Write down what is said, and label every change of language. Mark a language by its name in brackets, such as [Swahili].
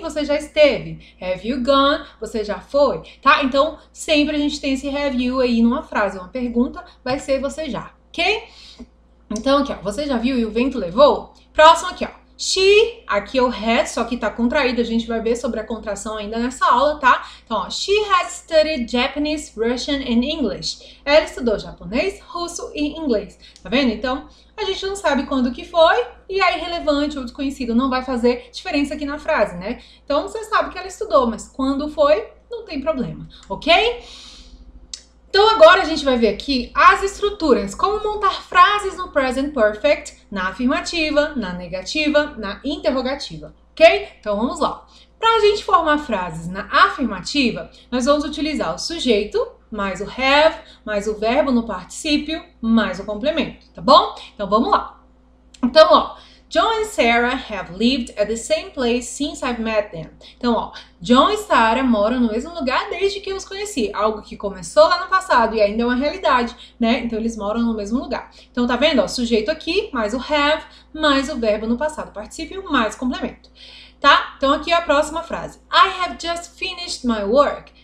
[Portuguese] Você já esteve. [English] Have you gone? [Portuguese] Você já foi, tá? Então, sempre a gente tem esse have you aí numa frase, uma pergunta, vai ser você já, ok? Então, aqui, ó, você já viu e o vento levou? Próximo aqui, ó. She, aqui é o has, só que tá contraído, a gente vai ver sobre a contração ainda nessa aula, tá? Então, ó, [English] she has studied Japanese, Russian and English. [Portuguese] Ela estudou japonês, russo e inglês, tá vendo? Então, a gente não sabe quando que foi e é irrelevante ou desconhecido, não vai fazer diferença aqui na frase, né? Então, você sabe que ela estudou, mas quando foi, não tem problema, ok? Então, agora a gente vai ver aqui as estruturas, como montar frases no present perfect, na afirmativa, na negativa, na interrogativa, ok? Então, vamos lá. Para a gente formar frases na afirmativa, nós vamos utilizar o sujeito, mais o have, mais o verbo no particípio, mais o complemento, tá bom? Então, vamos lá. Então, ó. [English] John and Sarah have lived at the same place since I've met them. [Portuguese] Então, ó, John e Sarah moram no mesmo lugar desde que eu os conheci. Algo que começou lá no passado e ainda é uma realidade, né? Então, eles moram no mesmo lugar. Então, tá vendo? Ó, sujeito aqui, mais o have, mais o verbo no passado participio, mais complemento. Tá? Então, aqui é a próxima frase. [English] I have just finished my work.